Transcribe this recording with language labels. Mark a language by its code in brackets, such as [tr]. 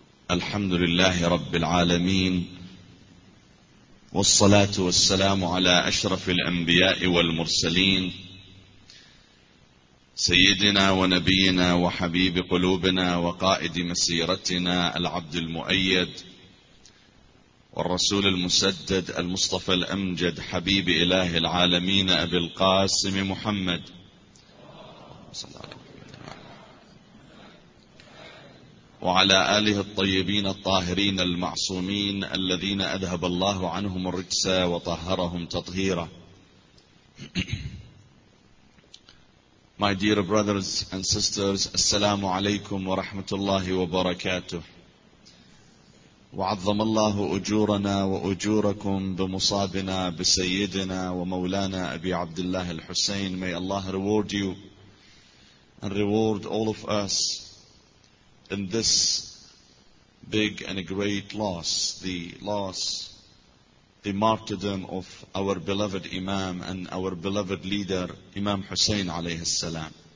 [ar] الحمد لله رب العالمين، والصلاة والسلام على أشرف الأنبياء والمرسلين، سيدنا ونبينا وحبيب قلوبنا وقائد مسيرتنا العبد المؤيد والرسول المسدد المصطفى الأمجد حبيب إله العالمين أبي القاسم محمد صلى الله عليه وسلم، وعلى آله الطيبين الطاهرين المعصومين الذين أذهب الله عنهم الرجس وطهرهم تطهيرا. [en] My dear brothers and sisters, [ar] السلام عليكم ورحمة الله وبركاته. وعظم الله أجورنا وأجوركم بمصابنا بسيدنا ومولانا أبي عبد الله الحسين. [en] May Allah reward you and reward all of us in this big and a great loss, the loss, the martyrdom of our beloved Imam and our beloved leader, Imam Hussein alayhi salam.